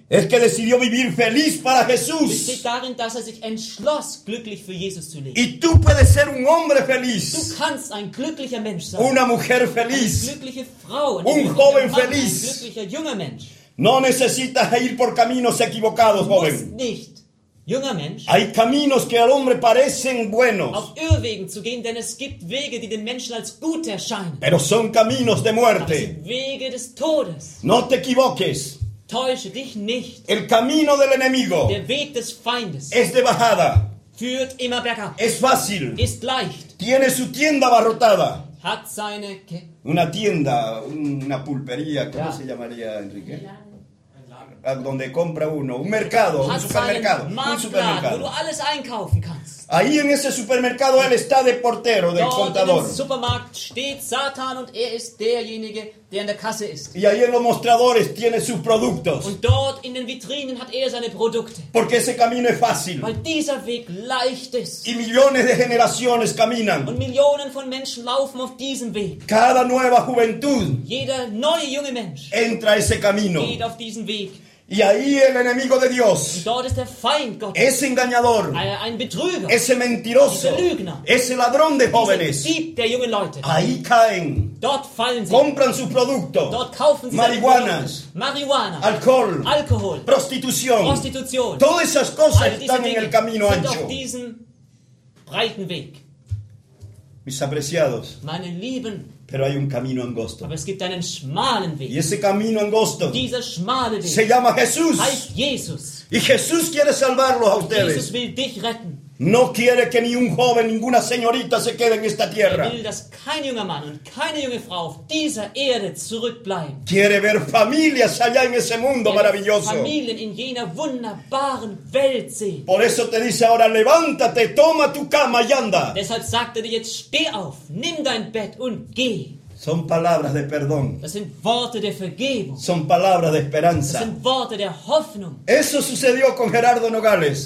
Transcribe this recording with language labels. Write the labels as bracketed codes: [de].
[es] Es que decidió vivir feliz para Jesús. [de] Es besteht darin, dass er sich entschloss, glücklich für Jesus zu leben. [es] Y tú puedes ser un hombre feliz. [de] Du kannst ein glücklicher Mensch sein. [es] Una mujer feliz. [de] Eine glückliche Frau. [es] Un joven feliz. [de] Ein glücklicher junger Mensch. [es] No necesitas ir por caminos equivocados, joven. [de] Nicht, junger Mensch. [es] Hay caminos que al hombre parecen buenos. [de] Auf Irrwegen zu gehen, denn es gibt Wege, die den Menschen als gut erscheinen. [es] Pero son caminos de muerte. [de] Aber sind Wege des Todes. [es] No te equivoques. [de] Täusche dich nicht. [es] El camino del enemigo. [de] Der Weg des Feindes. [es] Es de bajada. [de] Führt immer bergab. [es] Es fácil. [de] Ist leicht. [es] Tiene su tienda abarrotada. [de] Hat seine [es] ¿qué? Una tienda, una pulpería, ¿cómo se llamaría, Enrique? Donde compra uno, un mercado, [de] hat [es] un supermercado, [de] Marktlad, [es] un supermercado. [de] Wo du alles einkaufen kannst. [es] Ahí en ese supermercado él está de portero, del [de] dort [es] contador. [de] In dem Supermarkt steht Satan und er ist derjenige, der in der Kasse ist. [es] Y ahí en los mostradores tiene sus productos. [de] Und dort in den Vitrinen hat er seine Produkte. [es] Porque ese camino es fácil. [de] Weil dieser Weg leicht ist. [es] Y millones de generaciones caminan. [de] Und Millionen von Menschen laufen auf diesem Weg. [es] Cada nueva juventud. [de] Jeder neue junge Mensch. [es] Entra ese camino. [de] Geht auf diesen Weg. [es] Y ahí el enemigo de Dios, [de] und dort ist der Feind Gottes, [es] ese engañador, [de] ein Betrüger, [es] ese mentiroso, [de] dieser Lügner, [es] ese ladrón de jóvenes, [de] dieser Dieb der jungen Leute, [es] ahí caen, [de] dort fallen sie, [es] compran sus productos, [de] dort kaufen sie [es] marihuanas, [de] Marihuana, [es] Alcohol, Prostitución, todas esas cosas están en el camino ancho, [de] auf diesem breiten Weg. [es] Mis apreciados, [de] meine Lieben, [es] pero hay un camino angosto. [de] Aber es gibt einen schmalen Weg. [es] Y ese camino angosto. [de] Dieser schmale Weg. [es] Se llama Jesús. [de] Heißt Jesus. [es] Y Jesús quiere salvarlos a ustedes. [de] Jesus will dich retten. [es] No quiere que ni un joven, ninguna señorita se quede en esta tierra. [de] Er will, dass kein junger Mann und keine junge Frau auf dieser Erde zurückbleiben. [es] Quiere ver familias allá en ese mundo maravilloso. [de] Familien in jener wunderbaren Welt sehen. [es] Por eso te dice ahora, levántate, toma tu cama y anda. [de] Deshalb sagt er dir jetzt, steh auf, nimm dein Bett und geh. [es] Son palabras de perdón. [de] Das sind Worte der Vergebung. [es] Son palabras de esperanza. [de] Das sind Worte der Hoffnung. [es] Eso sucedió con Gerardo Nogales.